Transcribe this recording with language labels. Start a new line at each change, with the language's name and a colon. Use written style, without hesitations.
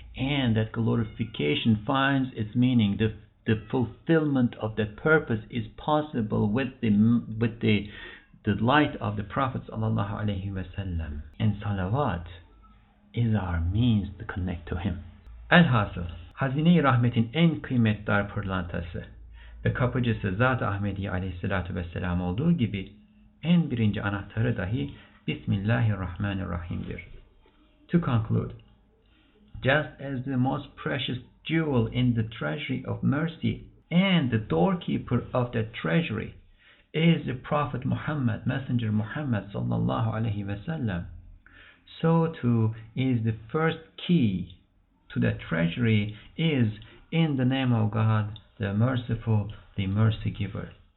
English: And that glorification finds its meaning. The fulfillment of that purpose is possible with the light of the Prophet sallallahu alaihi wasallam. And salawat is our means to connect to Him.
Turkish: Elhasıl, Hazine-i Rahmet'in en kıymetli pırlantası ve kapıcısı Zat-ı Ahmediye aleyhissalatu vesselam olduğu gibi en birinci anahtarı dahi Bismillahirrahmanirrahim'dir.
English: To conclude, just as the most precious jewel in the treasury of mercy and the doorkeeper of that treasury is the Prophet Muhammad, Messenger Muhammad sallallahu aleyhi ve sellem, so too is the first key to that treasury is in the name of God, the Merciful, the Mercy Giver.